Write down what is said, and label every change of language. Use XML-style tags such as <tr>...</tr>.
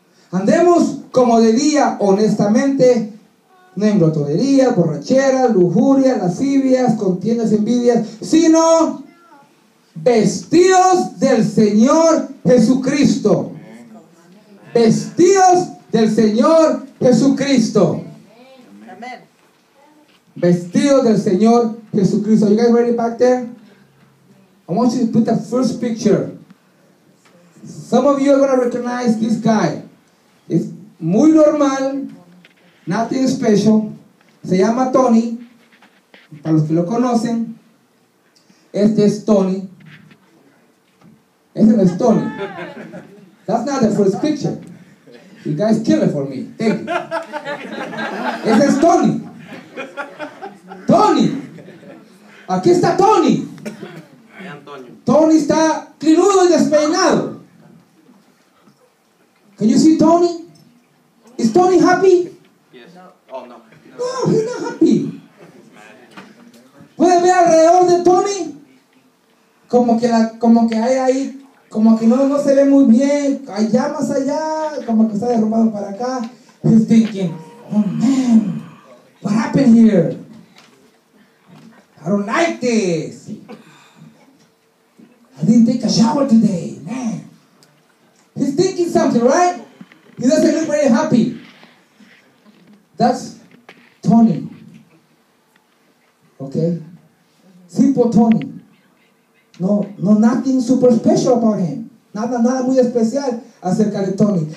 <es>Andemos como de día, honestamente, no en glotonería, borrachera, lujuria, lascivias, contiendas, envidias, sino vestidos del Señor Jesucristo. Vestidos del Señor Jesucristo. Vestidos del Señor Jesucristo.</es> <en>You guys ready back there? I want you to put the first picture. Some of you are going to recognize this guy.</en> <es>Es muy normal,</es> <en>nothing special.</en> <es>Se llama Tony. Para los que lo conocen, este es Tony. Ese no es Tony.</es> <en>That's not the first picture. You guys kill it for me. Thank you.</en> <es>Ese es Tony. Tony. Aquí está Tony. Tony está crinudo y despeinado.</es> <en>Can you see Tony? Is Tony happy? Yes. No. Oh, no. No, he's not happy.</en> <es>¿Puede ver alrededor de Tony? Como que hay ahí, como que no se ve muy bien. Hay llamas allá, como que está derrumbado para acá.</es> <en>He's thinking, oh man, what happened here? I don't like this. I didn't take a shower today, man. He's thinking something, right? He doesn't look very happy. That's Tony. Okay? Simple Tony. No, nothing super special about him.</en> <es>Nada muy especial acerca de Tony.</es>